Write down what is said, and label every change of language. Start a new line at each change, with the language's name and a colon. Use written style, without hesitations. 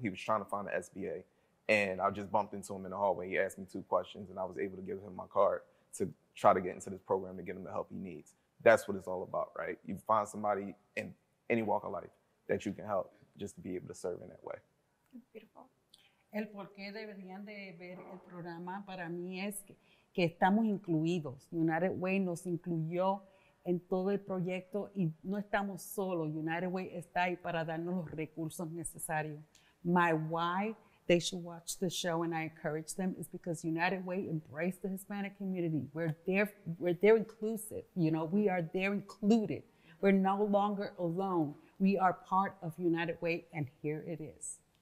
English: He was trying to find the SBA. And I just bumped into him in the hallway. He asked me two questions, and I was able to give him my card to try to get into this program to get him the help he needs. That's what it's all about, right? You find somebody in any walk of life that you can help, just to be able to serve in that way. Beautiful.
Spanish: El por qué deberían de ver el programa para mí es que estamos incluidos. United Way nos incluyó en todo el proyecto y no estamos solos. United Way está ahí para darnos los recursos necesarios.
English: My why they should watch the show and I encourage them is because United Way embraced the Hispanic community. We're there inclusive. You know, we are there included. We're no longer alone. We are part of United Way, and here it is.